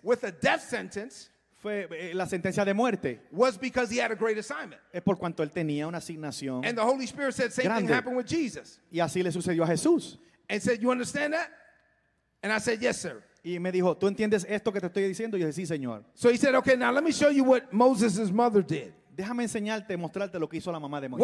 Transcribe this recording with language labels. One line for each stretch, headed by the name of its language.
English: with a death sentence.
Spanish: Fue la sentencia de muerte.
English: Was because he had a great assignment.
Spanish: Es por cuanto él tenía una asignación.
English: And the Holy Spirit said same
Spanish: grande.
English: Thing happened with Jesus.
Spanish: Y así le sucedió a Jesús.
English: And said, you understand that? And I said, yes, sir.
Spanish: Y me dijo, ¿tú entiendes esto que te estoy diciendo? Y yo decía, sí, señor.
English: So he said, okay, now let me show you what Moses' mother did.
Spanish: Déjame enseñarte, mostrarte lo que hizo la mamá de Moisés.